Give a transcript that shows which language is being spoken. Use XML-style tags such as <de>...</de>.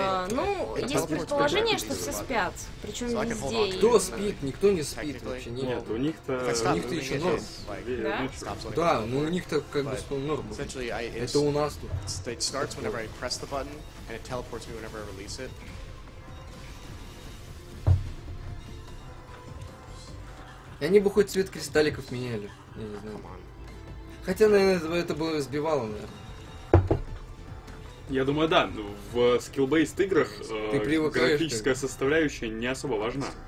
<ru>Ну, есть предположение, что все спят, причем везде. Кто спит? Никто не спит вообще. Нет, нет, у них-то еще норм. Да? Да, ну у них-то как бы что норм. Это у нас тут.</ru> <en>It starts whenever I press the button, and it teleports me whenever I release it.</en> <ru>И они бы хоть цвет кристалликов меняли. Я не знаю. Хотя, наверное, это бы сбивало, наверное. Я думаю, да. В скилл-бейст играх графическая составляющая не особо важна.</ru>